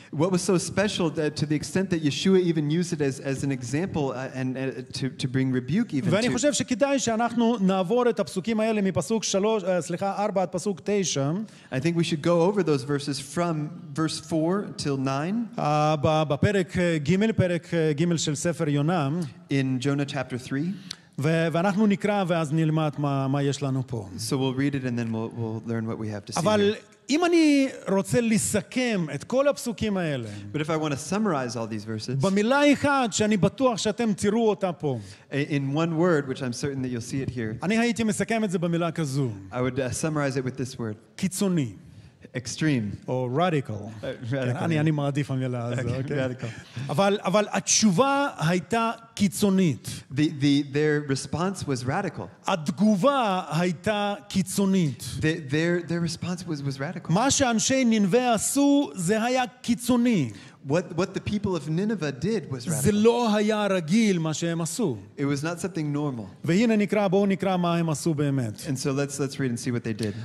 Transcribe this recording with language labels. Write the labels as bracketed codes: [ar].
[en] What was so special that to the extent that Yeshua even used it as an example and to bring rebuke even to? [he] ואני חושב שכדאי שאנחנו נעבור את הפסוקים האלה מפסוק 4 עד פסוק 9. [en] I think we should go over those verses from verse 4 till 9. [he] בפרק ג' של ספר יונה. [en] In Jonah chapter 3. [he] ואנחנו נקרא ואז נלמד מה יש לנו פה. [en] So we'll read it and then we'll learn what we have to see. [he] אבל אם אני רוצה לסכם את כל הפסוקים האלה, [en] but if I want to summarize all these verses, [he] במילה אחת שאני בטוח שאתם תראו אותה פה, [en] in one word which I'm certain that you'll see it here, [he] אני הייתי מסכם את זה במילה כזו, [en] I would summarize it with this word, [he] קיצוני. [en] extreme. [he] או radical. אני מעדיף המילה הזו. [en] Radical. [he] אבל התשובה הייתה קיצונית. [en] Their response was radical. [he] התגובה הייתה קיצונית. [en] Their response was radical. [he] מה שאנשי נינווה עשו זה היה קיצוני. [en] What the people of Nineveh did was radical. It was not something normal. And so let's read and see what they did.